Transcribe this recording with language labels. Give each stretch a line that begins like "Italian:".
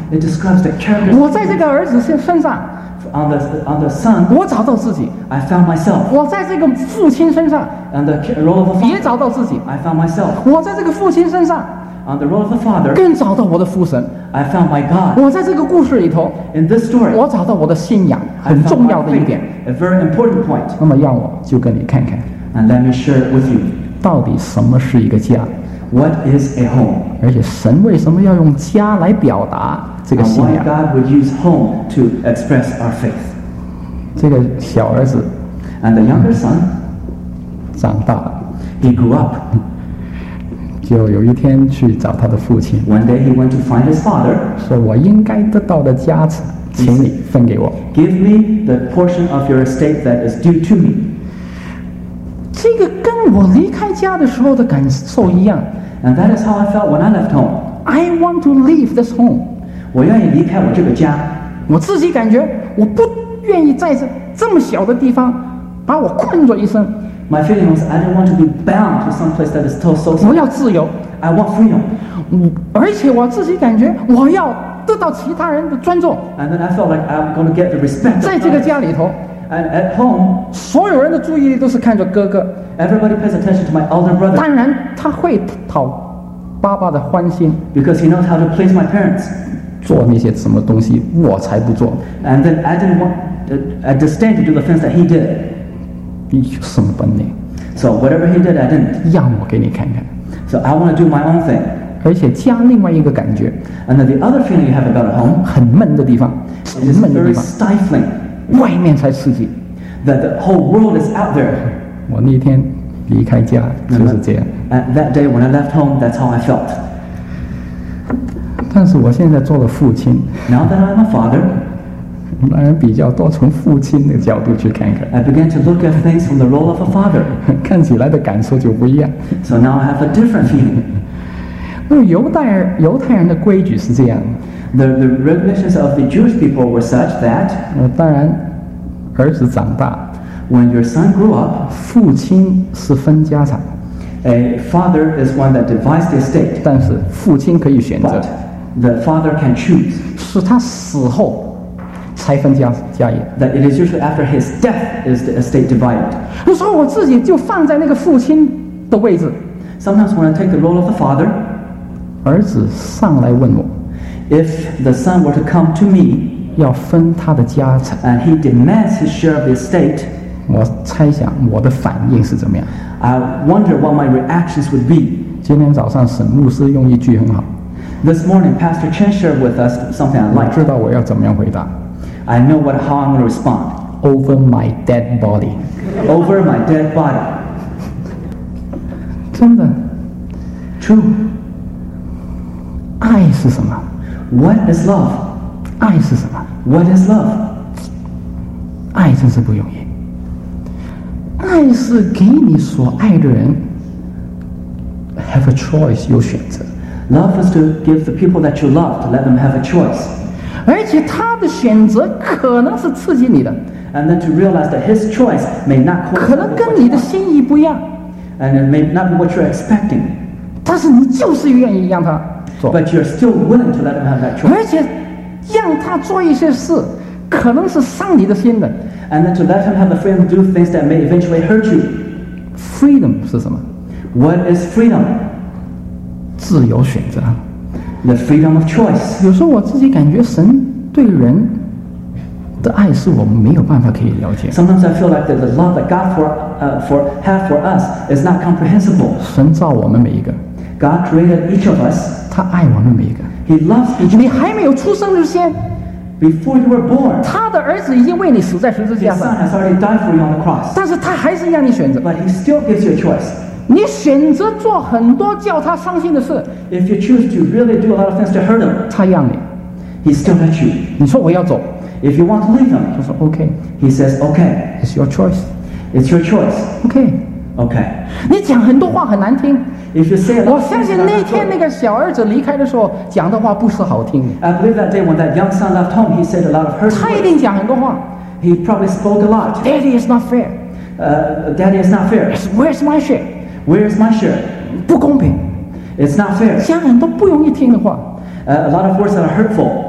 English: It describes the character.
Chinese: 我在这个儿子身上。
English: On the son,
Chinese: 我找到自己
English: I found myself.
Chinese: 我在这个父亲身上
English: On the role of a father,
Chinese: 也找到自己
English: I found myself.
Chinese: 我在这个父亲身上
English: On the role of the father,
Chinese: 更找到我的父神
English: I found my God.
Chinese: 我在这个故事里头
English: In this story,
Chinese: 我找到我的信仰很重要的一点
English: A very important point.
Chinese: 那么让我就跟你看看
English: And let me share it with you.
Chinese: 到底什么是一个家
English: What is a home?
Chinese: 而且神为什么要用家来表达这个信仰
English: God would use home to express our faith.
Chinese: 这个小儿子
English: And the younger son
Chinese: 长大了
English: He grew up
Chinese: 就有一天去找他的父亲
English: One day he went to find his father
Chinese: 说我应该得到的家产请你分给我
English: Give me the portion of your estate that is due to me
Chinese: 这个跟我离开家的时候的感受一样
English: And that is how I felt when I left home I want to leave this home
Chinese: 我愿意离开我这个家我自己感觉我不愿意在这么小的地方把我困住一生
English: My feeling was I don't want to be bound to some place that is so small
Chinese: 我要自由
English: I want freedom
Chinese: 而且我自己感觉我要得到其他人的尊重
English: And then I felt like I'm going to get the respect
Chinese: 在这个家里头
English: And at home
Chinese: 所有人的注意力都是看着哥哥
English: Everybody pays attention to my older brother
Chinese: 当然他会讨爸爸的欢心
English: Because he knows how to please my parents
Chinese: 做那些什么东西我才不做
English: And then I didn't want I disdained to do the things that he did
Chinese: 你有什么本领
English: So whatever he did I didn't
Chinese: 让我给你看看
English: So I want to do my own thing
Chinese: 而且家另外一个感觉
English: And then the other feeling you have about a home
Chinese: 很闷的地方
English: It is very stifling
Chinese: 外面才刺激
English: That the whole world is out there
Chinese: 我那天离开家就是这样
English: And that day when I left home that's how I felt
Chinese: 但是我现在做了父亲
English: Now that I'm a father
Chinese: 当然比较多从父亲的角度去看看
English: I began to look at things from the role of a father
Chinese: 看起来的感受就不一样
English: So now I have a different feeling
Chinese: 犹太人的规矩是这样的。
English: The regulations of the Jewish people were such that,
Chinese: 当然儿子长大
English: when your son grew up,
Chinese: 父亲是分家产。
English: A father is one that divides the estate.
Chinese: 但是父亲可以选择。
English: But the father can choose.
Chinese: 是他死后才分家业。
English: That it is usually after his death is the estate divided.
Chinese: 我说我自己就放在那个父亲的位置。
English: Sometimes when I take the role of the father,
Chinese: 儿子上来问我。
English: If the son were to come to me,
Chinese: 要分他的家产
English: and he demands his share of the estate,
Chinese: 我猜想我的反应是怎么样
English: I wonder what my reactions would be.
Chinese: 今天早上沈牧师用一句很好
English: This morning, Pastor Chen shared with us something I like.
Chinese: 我知道我要怎么样回答
English: I know what, how I'm going to respond. Over my dead body. Over my dead body.
Chinese: 真的
English: True.
Chinese: 爱是什么
English: What is love?
Chinese: 爱是什么
English: What is love?
Chinese: 爱真是不容易。爱是给你所爱的人
English: have a choice,
Chinese: 有选择。
English: Love is to give the people that you love, to let them have a choice.
Chinese: 而且他的选择可能是刺激你的。
English: And then to realize that his choice may not cause
Chinese: 可能跟你的心意不一样。
English: And it may not be what you're expecting.
Chinese: 但是你就是愿意让他。
English: But you're still willing to let him have that choice.
Chinese: 而且让他做一些事可能是伤你的心的。
English: And then to let him have the freedom to do things that may eventually hurt you.
Chinese: Freedom 是什么
English: What is freedom?
Chinese: 自由选择。
English: The freedom of choice.
Chinese: 有时候我自己感觉神对人的爱是我没有办法可以了解。
English: Sometimes I feel like the love that God have for us is not comprehensible.
Chinese: 神造我们每一个。
English: God created each of us.
Chinese: 他爱我们每一个。
English: He loves each of us.
Chinese: 你还没有出生之前
English: ，Before you were born，
Chinese: 他的儿子已经为你死在十字架上。
English: His son has already died for you on the cross.
Chinese: 但是他还是让你选择。
English: But he still gives you a choice.
Chinese: 你选择做很多叫他伤心的事。
English: If you choose to really do a lot of things to hurt him，
Chinese: 他让你。
English: He still lets you.
Chinese: 你说我要走。
English: If you want to leave him，
Chinese: 他说 OK。
English: He says OK. It's your choice. It's your choice. OK。 OK，
Chinese: 你讲很多话很难听。
English: If you say a lot,
Chinese: 我相信那天那个小儿子离开的时候讲的话不是好听。
English: I believe that day when that young son left home, he said a lot of hurtful words.
Chinese: 他一定讲很多话。
English: He probably spoke a lot. Daddy is not fair. Daddy is not fair. Where's my share? Where's my share?
Chinese: 不公平。
English: It's not fair.
Chinese: 讲很多不容易听的话。
English: A lot of words that are hurtful.